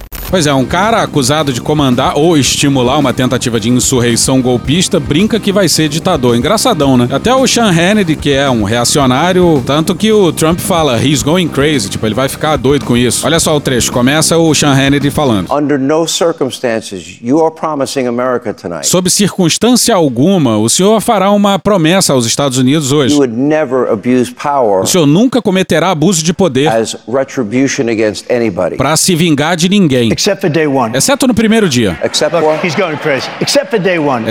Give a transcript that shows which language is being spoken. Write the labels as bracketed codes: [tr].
[pt] Pois é, um cara acusado de comandar ou estimular uma tentativa de insurreição golpista brinca que vai ser ditador. Engraçadão, né? Até o Sean Hannity, que é um reacionário, tanto que o Trump fala, [en] he's going crazy, [pt] tipo, ele vai ficar doido com isso. Olha só o trecho, começa o Sean Hannity falando. [en] Under no circumstances, you are promising America tonight. [pt] Sob circunstância alguma, o senhor fará uma promessa aos Estados Unidos hoje. [en] You would never abuse power. [pt] O senhor nunca cometerá abuso de poder [en] as retribution against anybody. [pt] Pra se vingar de ninguém. [en] Except for day one. [pt] Exceto no primeiro dia. [en] Except what? He's going crazy. Except for day one.